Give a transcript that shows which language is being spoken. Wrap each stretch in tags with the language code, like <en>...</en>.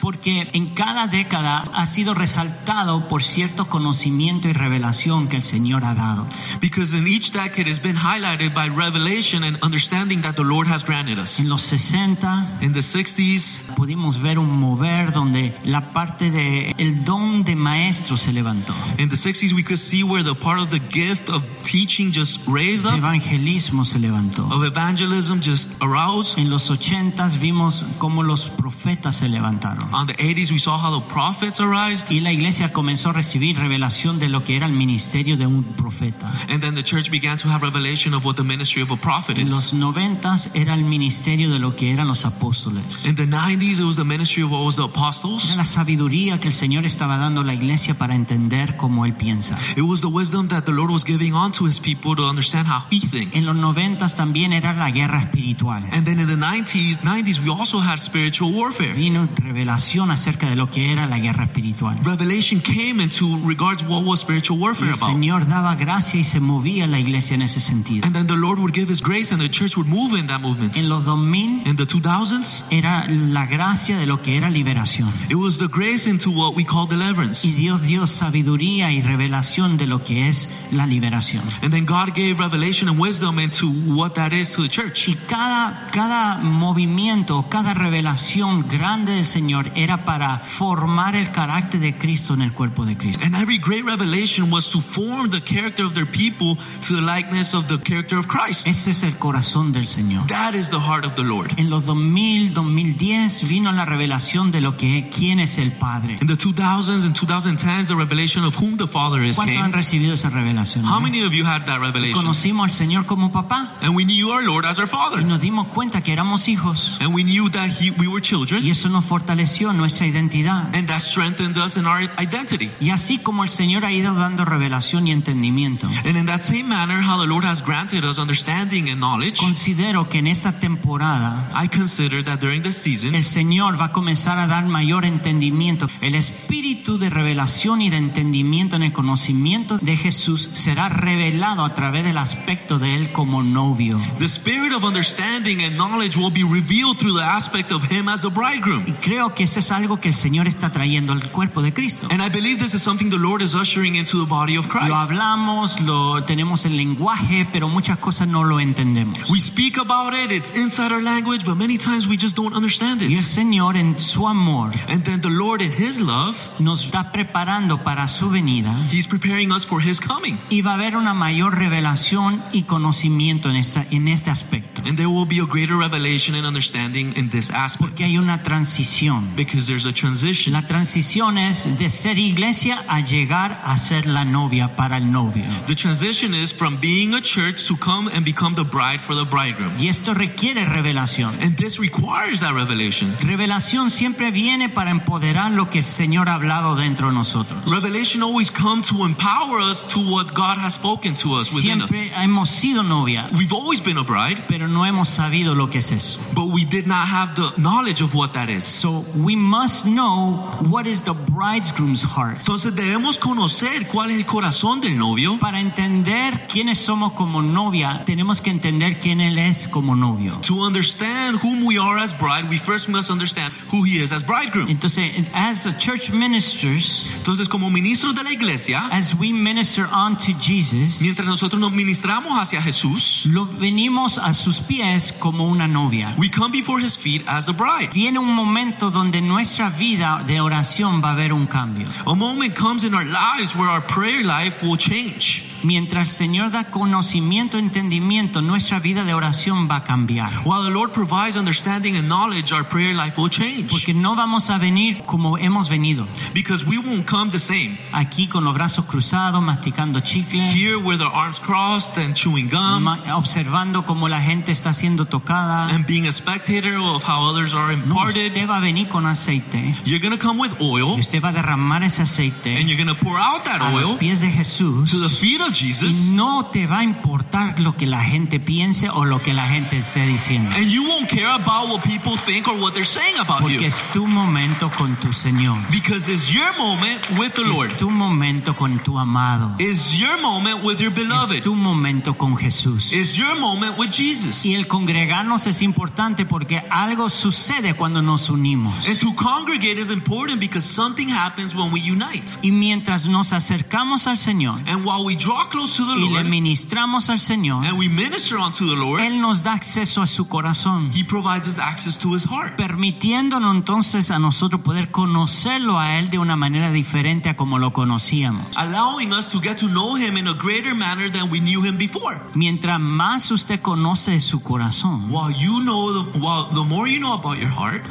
<es>Porque en cada década ha sido resaltado por cierto conocimiento y revelación que el Señor ha dado.</es> <en>Because in each decade has been highlighted by revelation and understanding that the Lord has granted.</en> <es>En los 60,</es> <en>in the 60s,</en> <es>pudimos ver un mover donde la parte de el don de maestro se levantó.</es> <en>In the 60s, we could see where the part of the gift of teaching just raised up.</en> <es>Evangelismo se levantó.</es> <en>Of evangelism just aroused.</en> <es>En los 80s, vimos cómo los profetas se levantaron.</es> <en>On the 80s, we saw how the prophets arose.</en> <es>Y la iglesia comenzó a recibir revelación de lo que era el ministerio de un profeta.</es> <en>And then the church began to have revelation of what the ministry of a prophet is.</en> <es>En los 90s, era el ministerio de lo que eran los apóstoles.</es> <en>In the 90s, it was the ministry of what was the apostles.</en> <es>Era la sabiduría que el Señor estaba dando a la iglesia para entender cómo Él piensa.</es> <en>It was the wisdom that the Lord was giving on to His people to understand how He thinks.</en> <es>En los 90s también era la guerra espiritual.</es> <en>And then in the 90s we also had spiritual warfare.</en> <es>Vino revelación acerca de lo que era la guerra espiritual.</es> <en>Revelation came into regards what was spiritual warfare about.</en> <es>El Señor daba gracia y se movía la iglesia en ese sentido.</es> <en>And then the Lord would give His grace and the church would move in that movement.</en> <es>En los 2000,</es> <en>in the 2000s,</en> <es>era la gracia de lo que era liberación.</es> <en>It was the grace into what we call deliverance.</en> <es>Y Dios dio sabiduría y revelación de lo que es la liberación.</es> <en>And then God gave revelation and wisdom into what that is to the church.</en> <es>Y cada movimiento, cada revelación grande del Señor era para formar el carácter de Cristo en el cuerpo de Cristo.</es> <en>And every great revelation was to form the character of their people to the likeness of the character of Christ.</en> <es>Ese es el corazón del Señor.</es> <en>That is the heart of the Lord.</en> <es>En los 2000-2010 vino la revelación de lo que es, quién es el Padre.</es> <en>In the 2000s and 2010s, the revelation of whom the Father is came.</en> <es>¿Cuántos han recibido esa revelación?</es> <en>How many of you had that revelation?</en> <es>Conocimos al Señor como papá.</es> <en>And we knew our Lord as our father.</en> <es>Y nos dimos cuenta que éramos hijos.</es> <en>And we knew that we were children.</en> <es>Y eso nos fortaleció nuestra identidad.</es> <en>And that strengthened us in our identity.</en> <es>Y así como el Señor ha ido dando revelación y entendimiento.</es> <en>And in that same manner, how the Lord has granted us understanding and knowledge.</en> <es>Considero que en esta temporada,</es> <en>I consider that during this season,</en> <es>el Señor va a comenzar a dar mayor entendimiento. El espíritu de revelación y de entendimiento en el conocimiento de Jesús será revelado a través del aspecto de él como novio.</es> <en>The spirit of understanding and knowledge will be revealed through the aspect of him as the bridegroom.</en> <es>Y creo que eso es algo que el Señor está trayendo al cuerpo de Cristo.</es> <en>And I believe this is something the Lord is ushering into the body of Christ.</en> <es>Lo hablamos, lo tenemos el lenguaje, pero muchas cosas no lo entendemos.</es> <en>We speak about it, it's inside our language, but many times we just don't understand it.</en> <es>Y el Señor en su amor,</es> <en>and then the Lord in his love,</en> <es>nos está preparando para su venida.</es> <en>He's preparing us for his coming.</en> <es>Y va a haber una mayor revelación y conocimiento en este aspecto.</es> <en>And there will be a greater revelation and understanding in this aspect.</en> <es>Porque hay una transición.</es> <en>Because there's a transition.</en> <es>La transición es de ser iglesia a llegar a ser la novia para el novio.</es> <en>The transition is from being a church to come and become the bride for the bridegroom.</en> <es>Y esto requiere revelación.</es> <en>And this requires that revelation.</en> <es>Revelación siempre viene para empoderar lo que el Señor ha hablado dentro de nosotros.</es> <en>Revelation always comes to empower us to what God has spoken to us within</en> <es>siempre</es> <en>us.</en> <es>Siempre hemos sido novia.</es> <en>We've always been a bride.</en> <es>Pero no hemos sabido lo que es eso.</es> <en>But we did not have the knowledge of what that is. So we must know what is the bridegroom's heart.</en> <es>Entonces debemos conocer cuál es el corazón del novio. Para entender quiénes somos como novia, tenemos que entender quién él es como novio.</es> <en>To understand whom we are as bride, we first must understand who he is as bridegroom.</en> <es>Entonces,</es> <en>as a church ministers,</en> <es>entonces como ministros de la iglesia,</es> <en>as we minister unto Jesus,</en> <es>mientras nosotros nos ministramos hacia Jesús, lo venimos a sus pies como una novia.</es> <en>We come before his feet as the bride.</en> <es>Viene un momento donde nuestra vida de oración va a haber un cambio.</es> <en>A moment comes in our lives where our prayer life will change.</en> <es>Mientras el Señor da conocimiento, entendimiento, nuestra vida de oración va a cambiar.</es> <en>While the Lord provides understanding and knowledge, our prayer life will change.</en> <es>Porque no vamos a venir como hemos venido.</es> <en>Because we won't come the same.</en> <es>Aquí con los brazos cruzados, masticando chicle.</es> <en>Here with our arms crossed and chewing gum.</en> <es>Observando cómo la gente está siendo tocada.</es> <en>And being a spectator of how others are imparted.</en> <es>Usted va a venir con aceite.</es> <en>You're going to come with oil.</en> <es>Y usted va a derramar ese aceite.</es> <en>And you're going to pour out that oil.</en> <es>A los pies de Jesús.</es> <en>To the feet of Jesus.</en> <es>Y no te va a importar lo que la gente piense o lo que la gente esté diciendo.</es> <en>And you won't care about what people think or what they're saying about</en> <es>porque</es> <en>you.</en> <es>Porque es tu momento con tu Señor.</es> <en>Because it's your moment with the</en> <es>es</es> <en>Lord.</en> <es>Es tu momento con tu amado.</es> <en>It's your moment with your beloved.</en> <es>Es tu momento con Jesús.</es> <en>It's your moment with Jesus.</en> <es>Y el congregarnos es importante porque algo sucede cuando nos unimos.</es> <en>And to congregate is important because something happens when we unite.</en> <es>Y mientras nos acercamos al Señor.</es> <en>And while we draw close to the</en> <es>y</es> <en>Lord,</en> <es>le ministramos al Señor,</es> <en>and we minister unto the Lord,</en> <es>él nos da acceso a su corazón,</es> <en>he provides us access to his heart,</en> <es>permitiéndonos entonces a nosotros poder conocerlo a él de una manera diferente a como lo conocíamos,</es> <en>allowing us to get to know him in a greater manner than we knew him before.</en> <es>Mientras más usted conoce su corazón,</es> <en>while you know the more you know about your heart,</en>